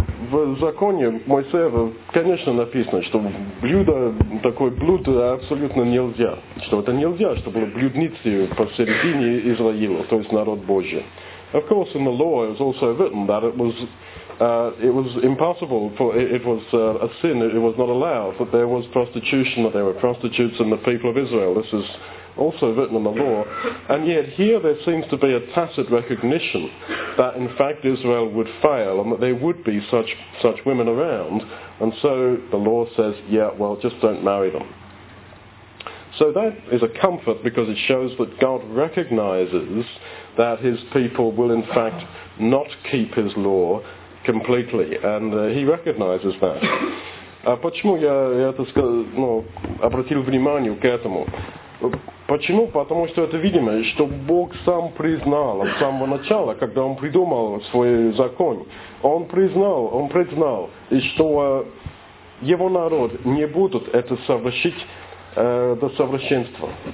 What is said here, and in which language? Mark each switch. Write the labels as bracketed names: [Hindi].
[Russian] В законе Моисеева, конечно, написано, что блюдо, такое блюдо абсолютно нельзя. Что это нельзя, что было блюдницей посередине Израиля, то есть народ Божий. [English] Of course, in the law it was also written that it was it was impossible, for it was a sin, it was not allowed that there was prostitution, that there were prostitutes in the people of Israel. This is also written in the law. And yet here there seems to be a tacit recognition that in fact Israel would fail and that there would be such women around. And so the law says, yeah, well, just don't marry them. So that is a comfort because it shows that God recognizes that his people will in fact not keep his law completely, and he recognizes that. [Russian] Почему я это сказал, ну, обратил внимание к этому? Почему? Потому что это видимо, что Бог сам признал с самого начала, когда он придумал свой закон, он признал, и что его народ не будут это совращить до совращенства.